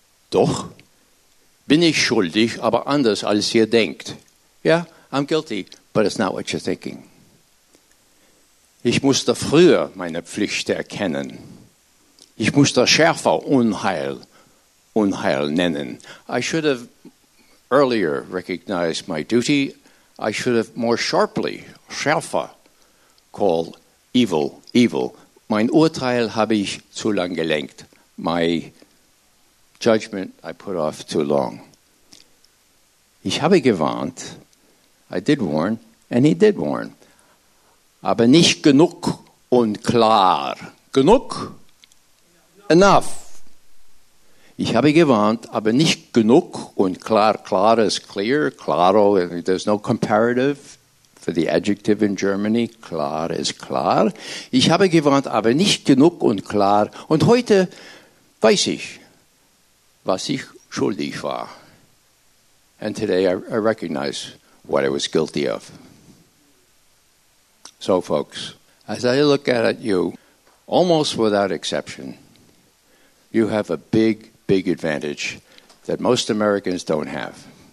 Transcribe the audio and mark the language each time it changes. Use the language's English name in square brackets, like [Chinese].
[German] Doch bin ich schuldig, aber anders als ihr denkt. [English] Yeah? I'm guilty, but it's not what you're thinking. [German] Ich musste früher meine Pflicht erkennen. Ich musste schärfer Unheil nennen. [English] I should have earlier recognized my duty. I should have more sharply, schärfer, called evil, evil. [German] Mein Urteil habe ich zu lang gelenkt. [English] My judgment I put off too long. [German] Ich habe gewarnt. [English] I did warn, and he did warn. [German] Aber nicht genug und klar. Genug? Enough. Ich habe gewarnt, aber nicht genug und klar. [English] Klar is clear. Claro, there's no comparative for the adjective in Germany. Klar is klar. [German] Ich habe gewarnt, aber nicht genug und klar. Und heute weiß ich, was ich schuldig war. [English] And today I recognize what I was guilty of. So, folks, as I look at it, you, almost without exception, you have a big, big advantage that most Americans don't have.